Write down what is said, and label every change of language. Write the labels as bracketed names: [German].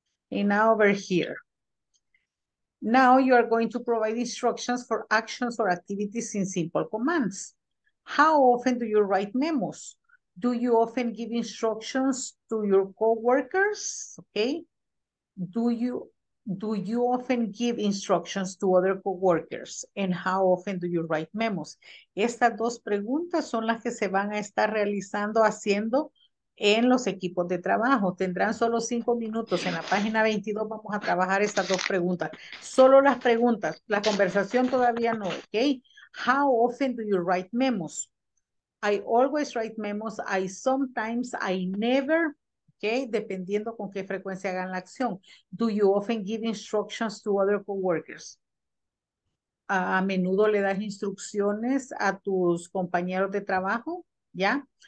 [English] And now over here. Now you are going to provide instructions for actions or activities in simple commands. How often do you write memos? Do you often give instructions to your coworkers? Okay. Do you often give instructions to other coworkers? And how often do you write memos? [Spanish] Estas dos preguntas son las que se van a estar realizando, haciendo en los equipos de trabajo. Tendrán solo 5 minutos. En la página 22 vamos a trabajar estas dos preguntas. Solo las preguntas. La conversación todavía no, okay? [English] How often do you write memos? I always write memos. I sometimes, I never, okay? [Spanish] Dependiendo con qué frecuencia hagan la acción. [English] Do you often give instructions to other coworkers? [Spanish] A menudo le das instrucciones a tus compañeros de trabajo, ¿ya?